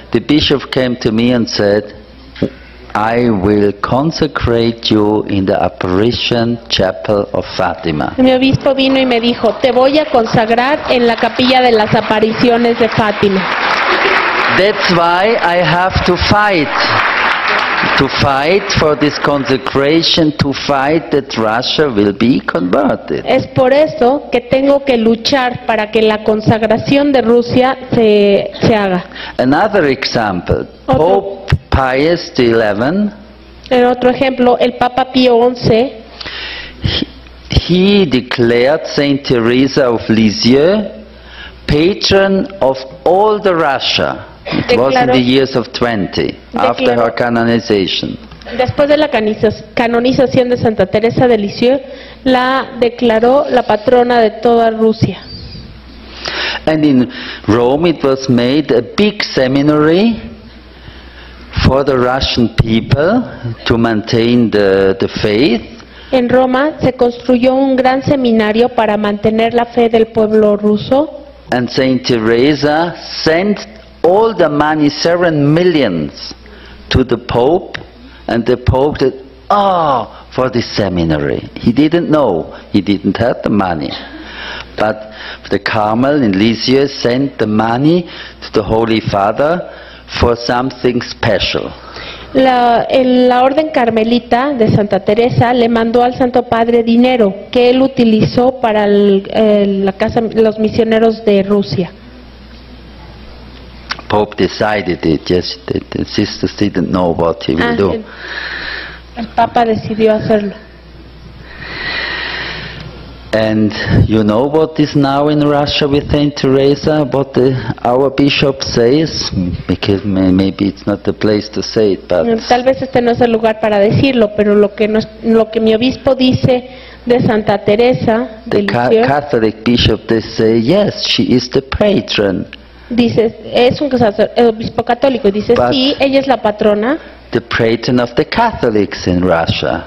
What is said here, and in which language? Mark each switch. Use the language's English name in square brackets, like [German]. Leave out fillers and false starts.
[English] The bishop came to me and said, I will consecrate you in the apparition chapel of Fátima. [Spanish] Mi obispo vino y me dijo, te voy a consagrar en la capilla de las apariciones de Fátima. [English] That's why I have to fight. To fight for this consecration, to fight that Russia will be converted. [Spanish] Es por eso que tengo que luchar para que la consagración de Rusia se haga. [English] Another example, Pope Pius XI. [Spanish] En otro ejemplo, el Papa Pío XI. [English] He, he declared Saint Teresa of Lisieux patron of all the Russia. It was in the years of 20, after her canonization. [Spanish] Después de la canonización de Santa Teresa de Lisieux, la declaró la patrona de toda Rusia. [English] And in Rome it was made a big seminary for the Russian people to maintain the faith. [Spanish] En Roma se construyó un gran seminario para mantener la fe del pueblo ruso. [English] And Saint Teresa sent all the money, 7 million, to the Pope, and the Pope said, "Oh, for this seminary." He didn't know, he didn't have the money. But the Carmel in Lisieux sent the money to the Holy Father for something special. [Spanish] La Orden Carmelita de Santa Teresa le mandó al Santo Padre dinero que él utilizó para los misioneros de Rusia. [English] Pope decided it. Yes, the sisters didn't know what he would do. [Spanish] El Papa decidió hacerlo. [English] And you know what is now in Russia with Saint Teresa, what our bishop says, because maybe it's not the place to say it, but [Spanish] tal vez este no es el lugar para decirlo, pero lo que mi obispo dice de Santa Teresa, [English] the Catholic bishop, they say yes, she is the patron. [Spanish] Dice, es un obispo católico, dice, but sí, ella es la patrona. [English] The patron of the Catholics in Russia.